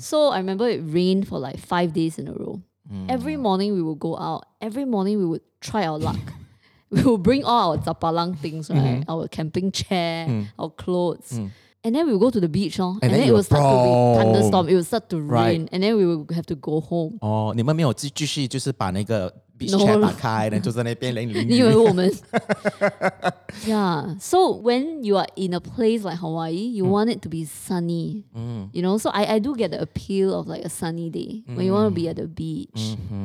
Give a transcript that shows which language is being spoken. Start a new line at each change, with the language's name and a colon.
English: So I remember it rained for like 5 days in a row. Every morning we would go out. Every morning we would try our luck. We would bring all our zapalang things, right? Mm-hmm. Our camping chair, our clothes. And then we would go to the beach. And then it would start to be thunderstorm. It would start to rain. And then we would have to go home.
Chinese: Oh, 你们没有继续就是把那个 beach chair 打开, 然后就在那边淋雨. 你以为我们?
English: Yeah. So when you are in a place like Hawaii, you want it to be sunny. You know, so I do get the appeal of like a sunny day when you want to be at the beach.